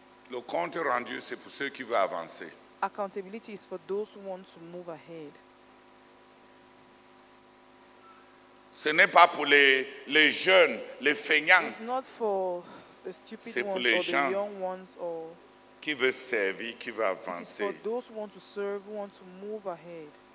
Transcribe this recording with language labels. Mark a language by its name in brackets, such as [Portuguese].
[French] Le compte rendu, c'est pour ceux qui veulent avancer. [English] Accountability is for those who want to move ahead. [French] Ce n'est pas pour les jeunes, les feignants. [English] It's not for the stupid ones or the young ones or [French] qui veut servir, qui veut avancer. [English] It is for those who want to serve, who want to move ahead.